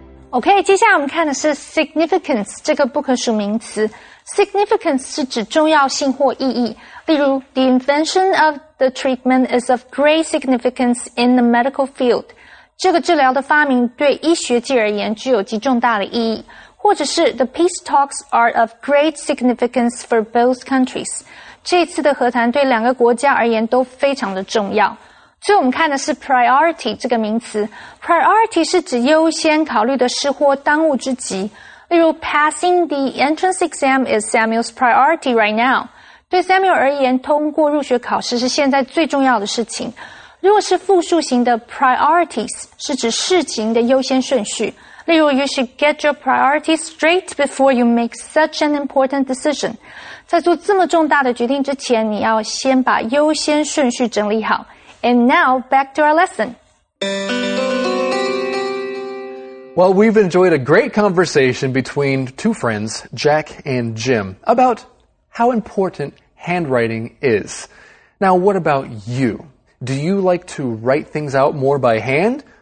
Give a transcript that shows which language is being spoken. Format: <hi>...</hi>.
<zh>OK, 接下来我们看的是 significance 这个不可数名词。 Significance 是指重要性或意义。例如</zh> <en>,the invention of the treatment is of great significance in the medical field.</en> <zh>这个治疗的发明对医学界而言具有极重大的意义。或者是</zh> <en>,the peace talks are of great significance for both countries.</en> <zh>这次的和谈对两个国家而言都非常的重要。所以我们看的是 priority 这个名词。Priority 是指优先考虑的事或当务之急。例如</zh> <en>passing the entrance exam is Samuel's priority right now.</en> <zh>对 Samuel 而言通过入学考试是现在最重要的事情。如果是复数型的 priorities 是指事情的优先顺序。例如</zh> <en>you should get your priorities straight before you make such an important decision.</en> <zh>在做这么重大的决定之前你要先把优先顺序整理好。</zh> <en>And now, back to our lesson. Well, we've enjoyed a great conversation between two friends, Jack and Jim, about how important handwriting is. Now, what about you? Do you like to write things out more by hand?</en>